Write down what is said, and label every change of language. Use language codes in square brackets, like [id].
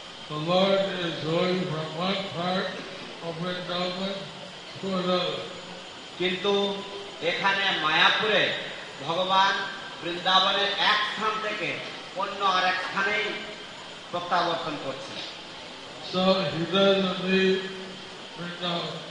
[en] The Lord is going from one part of Vrindavan to another. [bn] কিন্তু এখানে মায়াপুরে ভগবান বৃন্দাবনের এক স্থান থেকে অন্য আরেক স্থানে প্রত্যাবর্তন করছে। [en] So he doesn't leave Vrindavan.